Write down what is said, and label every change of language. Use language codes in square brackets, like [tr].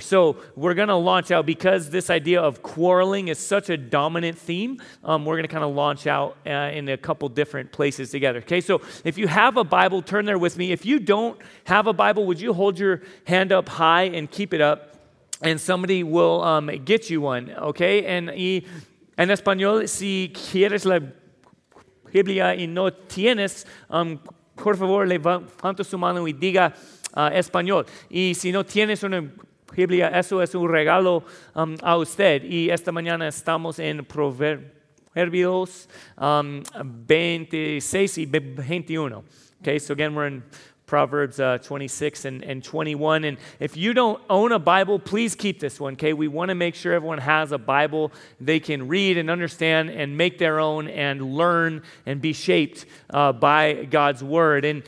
[en] So we're going to launch out because this idea of quarreling is such a dominant theme. We're going to kind of launch out in a couple different places together. Okay, so if you have a Bible, turn there with me. If you don't have a Bible, would you hold your hand up high and keep it up, and somebody will get you one, okay? [es] And en español, si quieres la Biblia y no tienes, por favor, levanta su mano y diga español. Y si no tienes una Biblia, eso es un regalo a usted. Y esta mañana estamos en Proverbios 26 y 21. [en] Okay, so again, we're in Proverbs 26 and 21. And if you don't own a Bible, please keep this one, okay? We want to make sure everyone has a Bible they can read and understand and make their own and learn and be shaped by God's Word.